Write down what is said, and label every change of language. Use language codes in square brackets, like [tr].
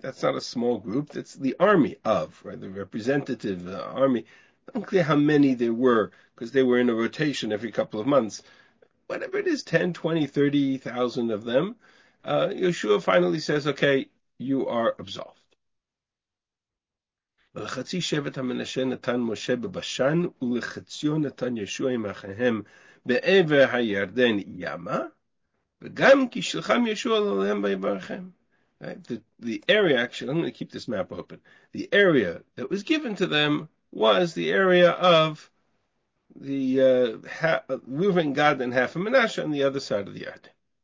[en] That's not a small group. That's the army of, right? The representative army. Unclear how many there were, because they were in a rotation every couple of months. whatever it is, 10, 20, 30,000 of them, Yeshua finally says, okay, you are absolved. [he] ולחצי שבט המנשה נתן משה בבשן, ולחציו נתן ישוע עם אחיהם בעבר הירדן ימה, וגם כי שלחם ישוע לעולם ביברכם. [en] The area, actually, I'm going to keep this map open. The area that was given to them was the area of the Reuven, Gad, and half of Menashe on the other side of the Yarden.